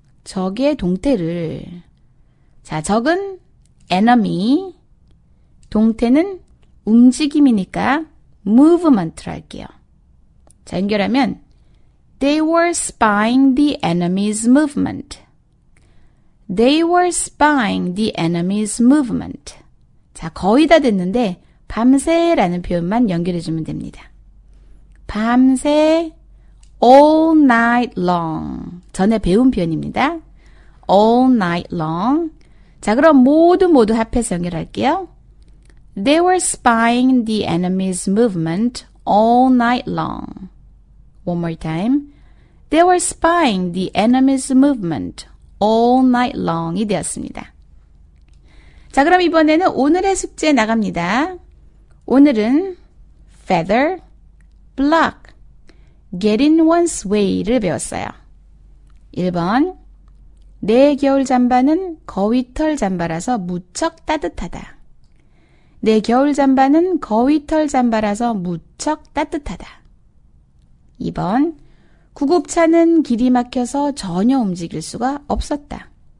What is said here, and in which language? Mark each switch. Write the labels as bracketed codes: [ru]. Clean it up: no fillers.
[ko] 적의 동태를. 자, 적은 enemy, 동태는 움직임이니까 movement를 할게요. 자, 연결하면 [en] They were spying the enemy's movement. They were spying the enemy's movement. [ko] 자, 거의 다 됐는데 밤새라는 표현만 연결해 주면 됩니다. [en] 밤새 All night long. [ko] 전에 배운 표현입니다. [en] All night long. [ko] 자, 그럼 모두 합해서 연결할게요. [en] They were spying the enemy's movement all night long. One more time. They were spying the enemy's movement all night long [ko] 이 되었습니다. 자, 그럼 이번에는 오늘의 숙제 나갑니다. 오늘은 feather, block, get in one's way를 배웠어요. 1번 내 겨울 잠바는 거위털 잠바라서 무척 따뜻하다. 내 겨울 잠바는 거위털 잠바라서 무척 따뜻하다. 2번 구급차는 길이 막혀서 전혀 움직일 수가 없었다.